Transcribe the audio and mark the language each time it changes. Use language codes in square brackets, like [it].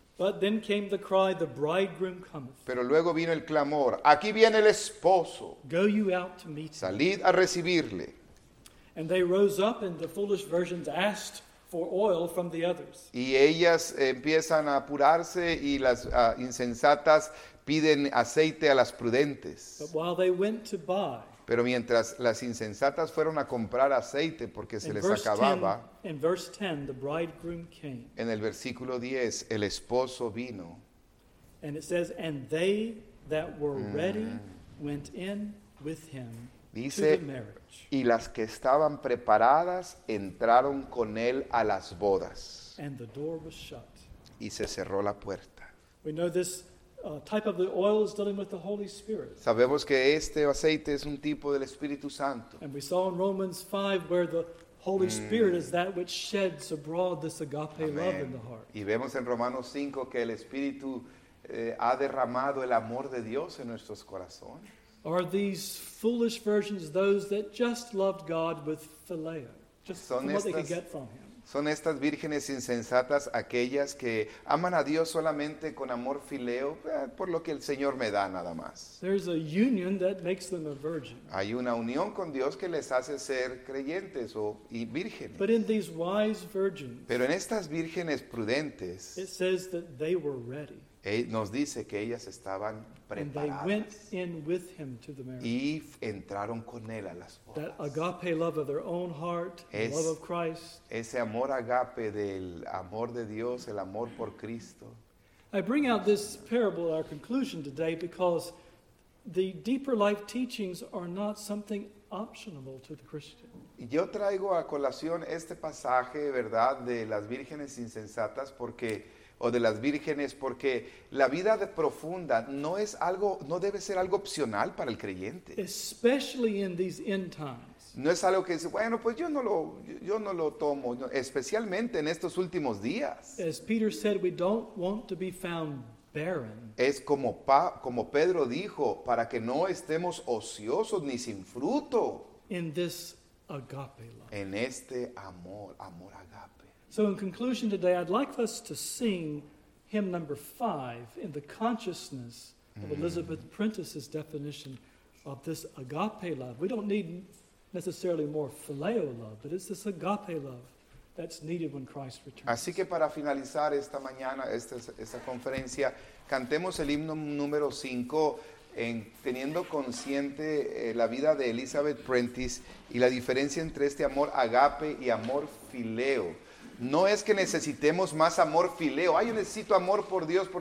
[en] But then came the cry, the bridegroom cometh. [es] Pero luego vino el clamor, aquí viene el esposo. [en] Go you out to meet him. [es] Salid a recibirle. [en] And they rose up and the foolish virgins asked for oil from the others. [es] Y ellas empiezan a apurarse y las insensatas piden aceite a las prudentes. [en] But while they went to buy. [es] Pero mientras las insensatas fueron a comprar aceite porque se les acababa, [en] in verse 10, the bridegroom came. [es] En el versículo 10, el esposo vino. [en] And it says, and they that were ready went in with him [es] dice, [en] to the marriage. [es] Y las que estaban preparadas entraron con él a las bodas. [en] And the door was shut. [es] Y se cerró la puerta. [en] We know this. Type of the oil is dealing with the Holy Spirit. [es] Sabemos que este aceite es un tipo del Espíritu Santo. [en] And we saw in Romans 5 where the Holy Spirit is that which sheds abroad this agape Amen. Love in the heart. [es] Y vemos en Romanos 5 que el Espíritu ha derramado el amor de Dios en nuestros corazones. [en] Are these foolish virgins those that just loved God with phileo? Just [es] son [en] what they could get from him. [es] ¿Son estas vírgenes insensatas aquellas que aman a Dios solamente con amor fileo, por lo que el Señor me da nada más? [en] There's a union that makes them a virgin. [es] Hay una unión con Dios que les hace ser creyentes o y vírgenes. [en] But in these wise virgins, [es] pero en estas vírgenes prudentes, [en] it says that they were ready. [es] Nos dice que ellas estaban preparadas. [en] And they went in with him to the marriage. [es] Y entraron con él a las bodas. [en] That agape love of their own heart, the love of Christ. [es] Ese amor agape del amor de Dios, el amor por Cristo. [en] I bring out this parable at our conclusion today because the deeper life teachings are not something optional to the Christian. [es] Yo traigo a colación este pasaje, ¿verdad?, de las vírgenes insensatas porque o de las vírgenes, porque la vida de profunda no es algo, no debe ser algo opcional para el creyente. [en] Especially in these end times. [es] No es algo que dice, bueno, pues yo no lo tomo, no, especialmente en estos últimos días. [en] As Peter said, we don't want to be found barren. [es] Es como, como Pedro dijo, para que no estemos ociosos ni sin fruto. [en] In this agape love. [es] En este amor, amor agape. [en] So in conclusion today, I'd like us to sing hymn number 5 in the consciousness of Elizabeth Prentice's definition of this agape love. We don't need necessarily more phileo love, but it's this agape love that's needed when Christ returns. [es] Así que para finalizar esta mañana, esta conferencia, cantemos el himno número 5 teniendo consciente la vida de Elizabeth Prentice y la diferencia entre este amor agape y amor phileo. No es que necesitemos más amor fileo. Ay, yo necesito amor por Dios.